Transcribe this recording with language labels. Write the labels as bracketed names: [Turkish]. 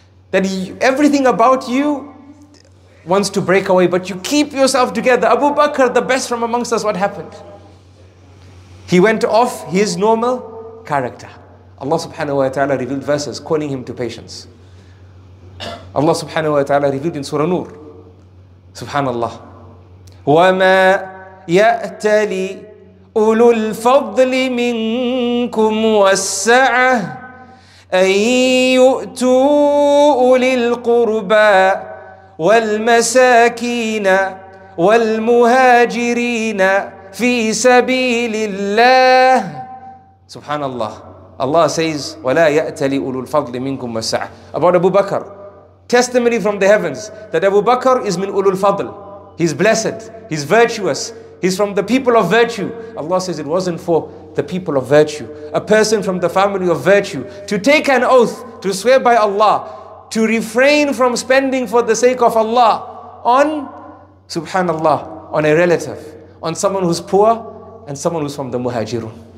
[English] That everything about you wants to break away, but you keep yourself together. Abu Bakr, the best from amongst us, what happened? He went off his normal character. Allah subhanahu wa ta'ala revealed verses calling him to patience. Allah subhanahu wa ta'ala revealed in Surah Nur, subhanallah, [Arabic] وَمَا يَأْتَلِي أُولُو الْفَضْلِ مِنْكُمْ وَالسَّعَةِ أَنْ يُؤْتُوا أُولِي الْقُرْبَى وَالْمَسَاكِينَ وَالْمُهَاجِرِينَ في سبيل الله. سبحان الله. [English] Allah says, [Arabic] وَلَا يَأْتَلِ أُولُو الْفَضْلِ مِنْكُمْ وَسَعَ. [English] About Abu Bakr, testimony from the heavens that Abu Bakr is min ulul fadl. He's blessed, he's virtuous, he's from the people of virtue. Allah says it wasn't for the people of virtue. A person from the family of virtue to take an oath, to swear by Allah, to refrain from spending for the sake of Allah on, subhanallah, on a relative, on someone who's poor and someone who's from the muhajirun.